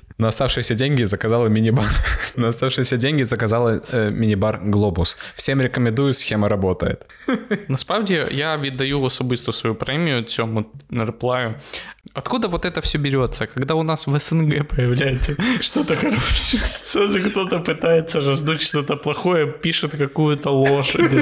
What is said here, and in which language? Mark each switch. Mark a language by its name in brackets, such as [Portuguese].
[Russian] На оставшиеся деньги заказала мини-бар. Мини-бар Глобус. Всем рекомендую, схема работает. [Ukrainian] Насправді, я віддаю особисто свою премію цьому реплаю. [Russian] Откуда вот это все берется, когда у нас в СНГ появляется что-то хорошее? Сразу кто-то пытается раздуть что-то плохое, пишет какую-то ложь.